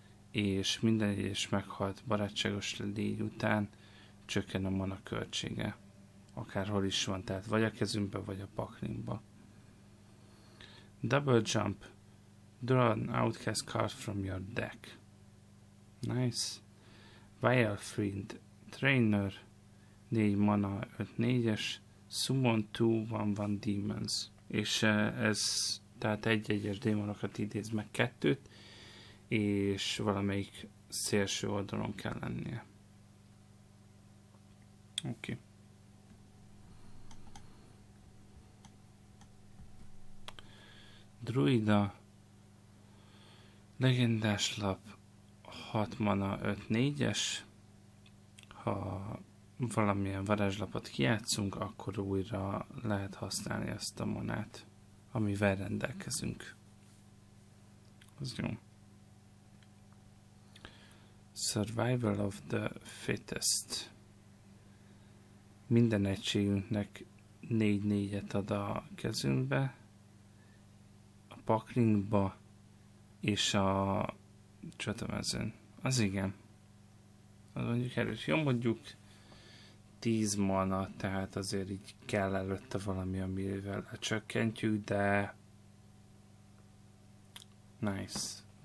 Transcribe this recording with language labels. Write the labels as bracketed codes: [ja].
[hu] És minden egyes meghalt barátságos lény után csökken a mana költsége. akárhol is van, tehát vagy a kezünkbe, vagy a paklimba. [en] Double jump. Draw an outcast card from your deck. Nice. Vilefriend. Trainer. 4 mana, 5-4-es. Summon 2-1-1 demons. [hu] És ez, tehát 1-1-es démonokat idéz meg 2-t, és valamelyik szélső oldalon kell lennie. Oké. Okay. Druida. Legendás lap. 6 mana, 5-4-es. Ha valamilyen varázslapot kijátszunk, akkor újra lehet használni ezt a manát, amivel rendelkezünk. Az jó. [en] Survival of the fittest. [hu] Minden egységünknek 4-4-et ad a kezünkbe, a paklingba és a csatamezőn. Az igen. Az mondjuk erős. Jó, mondjuk 10 mana, tehát azért így kell előtte valami, amivel lecsökkentjük, de nice.